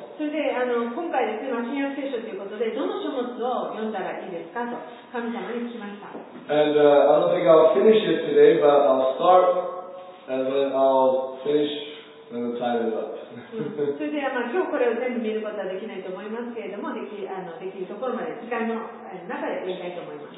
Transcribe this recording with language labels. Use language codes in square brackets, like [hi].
[ja] それで今回ですね、新約聖書ということで、どの書物を読んだらいいですかと神様に聞きました。 [en] And, I don't think I'll finish it today, but I'll start and then I'll finish and tie it up. [ja] それで今日これを全部見ることはできないと思いますけれども、できるところまで時間の中で見たいと思います。